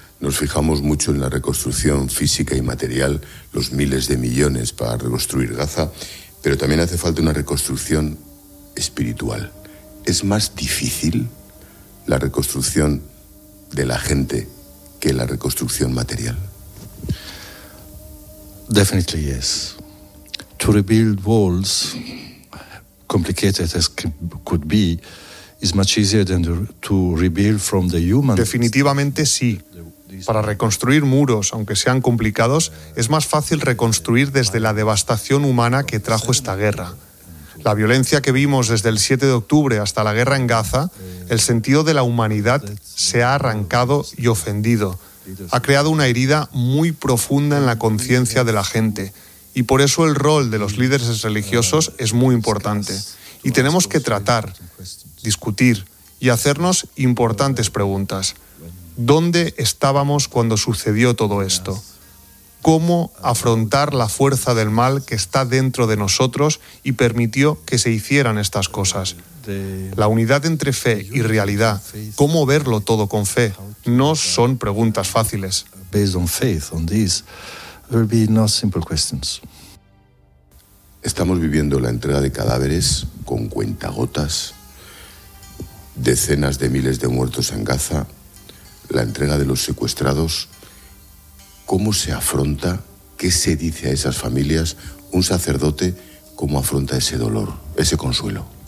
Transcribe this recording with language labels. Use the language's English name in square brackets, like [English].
[Spanish] Nos fijamos mucho en la reconstrucción física y material, los miles de millones para reconstruir Gaza, pero también hace falta una reconstrucción espiritual. ¿Es más difícil la reconstrucción de la gente que la reconstrucción material? [English] Definitely yes. To rebuild walls, complicated as could be, is much easier than to rebuild from the human. [Spanish] Definitivamente sí. Para reconstruir muros, aunque sean complicados, es más fácil reconstruir desde la devastación humana que trajo esta guerra. La violencia que vimos desde el 7 de octubre hasta la guerra en Gaza, el sentido de la humanidad se ha arrancado y ofendido. Ha creado una herida muy profunda en la conciencia de la gente. Y por eso el rol de los líderes religiosos es muy importante. Y tenemos que tratar, discutir y hacernos importantes preguntas. ¿Dónde estábamos cuando sucedió todo esto? ¿Cómo afrontar la fuerza del mal que está dentro de nosotros y permitió que se hicieran estas cosas? La unidad entre fe y realidad, cómo verlo todo con fe, no son preguntas fáciles. [English] Based on faith, on this, will be no simple questions. [Spanish] Estamos viviendo la entrega de cadáveres con cuentagotas, decenas de miles de muertos en Gaza, la entrega de los secuestrados. ¿Cómo se afronta, qué se dice a esas familias, un sacerdote, cómo afronta ese dolor, ese consuelo?